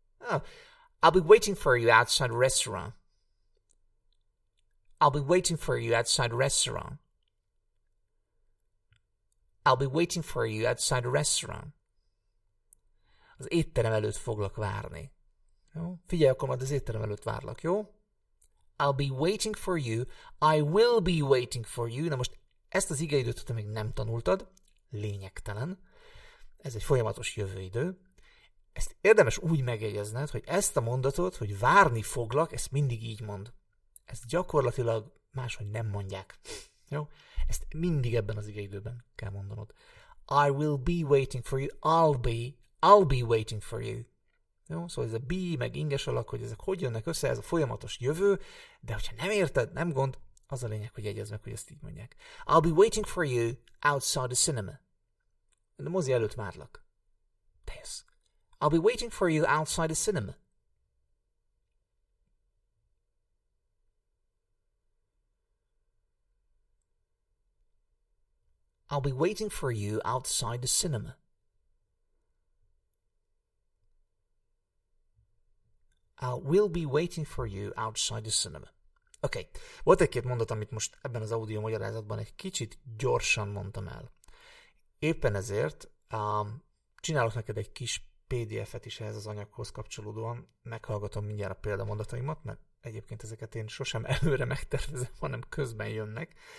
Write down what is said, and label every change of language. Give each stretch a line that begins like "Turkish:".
English: I'll be waiting for you outside the restaurant. I'll be waiting for you outside the restaurant. I'll be waiting for you outside the restaurant.
Hungarian: Az étterem előtt foglak várni. Jó? Figyelj, akkor majd az étterem előtt várlak, jó?
English: I'll be waiting for you. I will be waiting for you.
Hungarian: Na most ezt az igeidőt, ha még nem tanultad, lényegtelen. Ez egy folyamatos jövőidő. Ezt érdemes úgy megjegyezned, hogy ezt a mondatot, hogy várni foglak, ezt mindig így mond. Ezt gyakorlatilag máshogy nem mondják. Jó? Ezt mindig ebben az igeidőben kell mondanod.
English: I will be waiting for you. I'll be waiting for you. Jó?
Hungarian: Szóval ez a be, meg inges alak, hogy ezek hogy jönnek össze, ez a folyamatos jövő, de hogyha nem érted, nem gond, az a lényeg, hogy jegyezd meg, hogy ezt így mondják.
English: I'll be waiting for you outside the cinema.
Hungarian: De mozi előtt várlak. Tesz.
English: I'll be waiting for you outside the cinema. I'll be waiting for you outside the cinema. I will be waiting for you outside the cinema. Okay.
Hungarian: Volt egy-két mondat, amit most ebben az audio magyarázatban egy kicsit gyorsan mondtam el. Éppen ezért csinálok neked egy kis PDF-et is ehhez az anyaghoz kapcsolódóan, meghallgatom mindjárt a példamondataimat, mert egyébként ezeket én sosem előre megtervezem, hanem közben jönnek.